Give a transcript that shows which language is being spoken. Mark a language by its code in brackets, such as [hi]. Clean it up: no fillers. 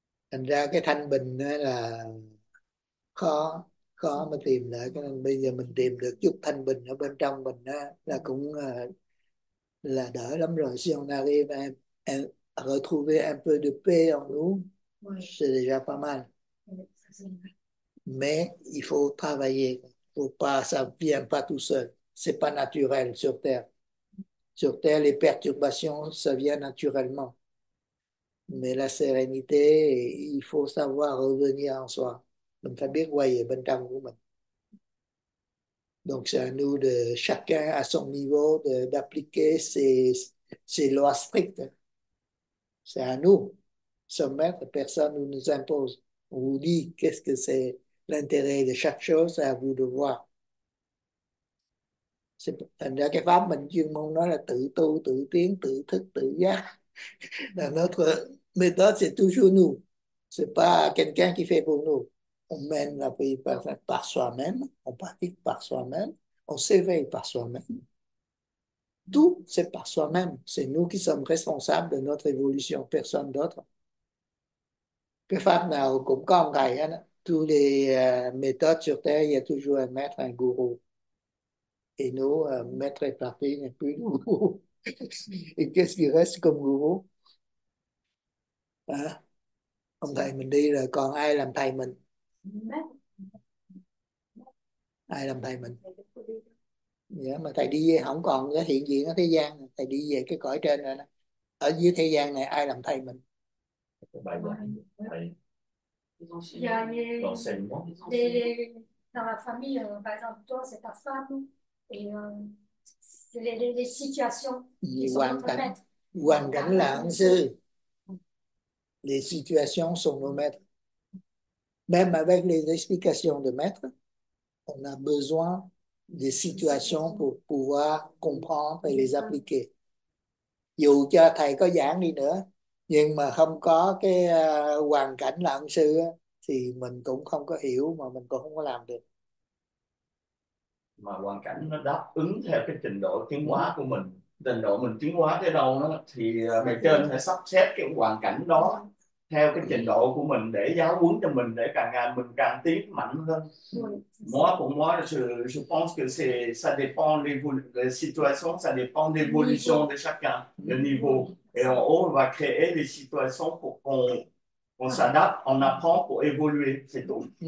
[vi] Thành ra cái thanh bình là khó khó mà tìm lại, cho nên bây giờ mình tìm được chút thanh bình ở bên trong mình đó, là cũng là đỡ lắm rồi. [fr] Si on arrive à retrouver un peu de paix en nous, c'est déjà pas mal. Mais il faut travailler, faut pas, ça vient pas tout seul, c'est pas naturel sur Terre. Sur Terre, les perturbations, ça vient naturellement. Mais la sérénité, il faut savoir revenir en soi. [vi] Mình phải biết quay về bên trong của mình. [fr] Donc, c'est à nous de chacun à son niveau d'appliquer ces lois strictes. C'est à nous, son maître, personne ne nous impose. On vous dit qu'est-ce que c'est l'intérêt de chaque chose, c'est à vous de voir. [vi] C'est thành ra cái pháp mình chuyên môn nói là tự tu, tự tiến, tự thức, tự giác. [fr] Là notre méthode, c'est toujours nous. Ce n'est pas quelqu'un qui fait pour nous. On mène la vie par soi-même, on pratique par soi-même, on s'éveille par soi-même. Tout, c'est par soi-même. C'est nous qui sommes responsables de notre évolution, personne d'autre. [vi] Cái pháp nào cũng có un thầy hết. [fr] Toutes les méthodes sur Terre, il y a toujours un maître, un gourou. Et nous, maître est parti, il n'y a plus de gourou. Et qu'est-ce qui reste comme gourou? Hein? [vi] Ông thầy mình đi rồi, còn ai làm thầy mình? Ai làm thầy mình? Dạ, mà thầy đi về, không còn cái hiện diện ở thế gian, thầy đi về cái cõi trên rồi đó. Ở dưới thế gian này ai làm thầy mình? [fr] Thầy l'enseignement. Dans la famille, par exemple, toi, c'est ta femme, et c'est les situations qui sont [vi] Hoàn [fr] notre [vi] cảnh, [fr] maître. [vi] hoàn cảnh [fr] Car, [vi] là ân sư. [fr] Les situations sont nos maîtres. Même avec les explications de maître, on a besoin des situations pour pouvoir comprendre et les appliquer. [vi] Dù cho thầy có giảng đi nữa, nhưng mà không có cái hoàn cảnh là ân sư thì mình cũng không có hiểu, mà mình cũng không có làm được. mà hoàn cảnh nó đáp ứng theo cái trình độ tiến hóa của mình, trình độ mình tiến hóa tới đâu nó thì bề trên sẽ sắp xếp cái hoàn cảnh đó theo cái trình độ của mình để giáo huấn cho mình, để càng ngày mình càng tiến mạnh hơn. [fr] Moi pour moi je pense que c'est ça dépend les situations, ça dépend de l'évolution de chacun, le niveau, et en haut on va créer des situations pour qu'on s'adapte, on apprend pour évoluer, c'est tout.